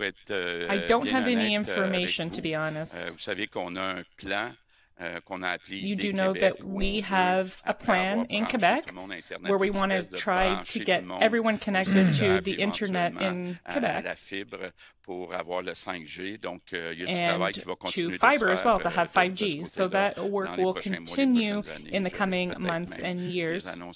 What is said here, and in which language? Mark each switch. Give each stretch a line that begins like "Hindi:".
English: I don't have any information, to be honest.
French: Vous savez qu'on a un plan, qu'on a appelé
English: you do know that we have a plan in Quebec where we want to try to get everyone connected to the internet in Quebec and to fiber as well, to have 5G. So that work will continue in the coming months and years.